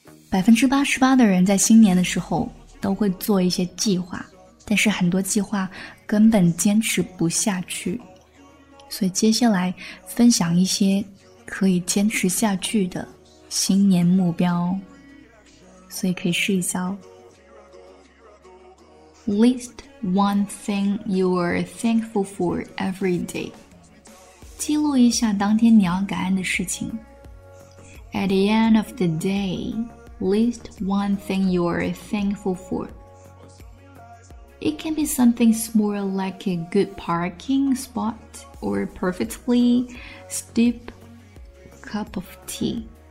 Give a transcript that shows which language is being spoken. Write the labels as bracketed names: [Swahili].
[Chinese] 88%的人在新年的时候都会做一些计划，但是很多计划根本坚持不下去。所以接下来分享一些可以坚持下去的新年目标，所以可以试一下哦。 [English] List one thing you are thankful for every day. [Chinese] 记录一下当天你要感恩的事情。 [English] At the end of the day, list one thing you are thankful for. It can be something small like a good parking spot or perfectly steep cup of tea.